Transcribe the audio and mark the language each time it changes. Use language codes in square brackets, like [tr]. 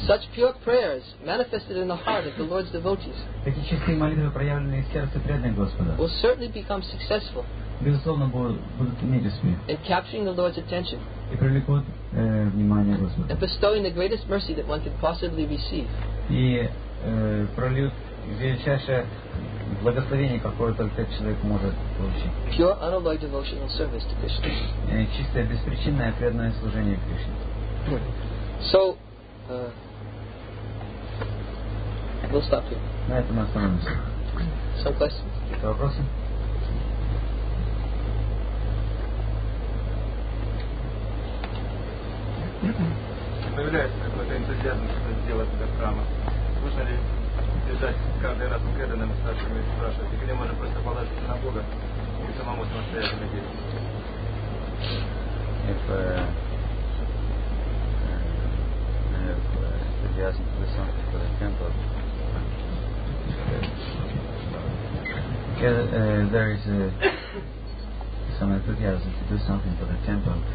[en] Such pure prayers manifested in the heart of the Lord's devotees. [ru] Такие чистые молитвы, проявленные в сердце преданных Господа. [en] Will certainly become successful. [ru] Безусловно, будут иметь успех. [en] In capturing the Lord's attention. [ru] И привлекут внимание Господа. [en] And bestowing the greatest mercy that one could possibly receive. [ru] И прольют величайшее благословение, какое только человек может получить. [en] Pure unalloyed devotional service to Krishna. [ru] Чистое беспричинное преданное служение Кришне. [en] So, we'll stop here. [ru] На этом остановимся. [en] Some questions? [ru] Какие вопросы? Появляется какой-то энтузиазм, что сделать для храма. Нужно ли бежать каждый раз к преданным старшим и спрашивать, или можно просто положиться на Бога и самому самостоятельно действовать? [en] There is some enthusiasm to do something for the temple.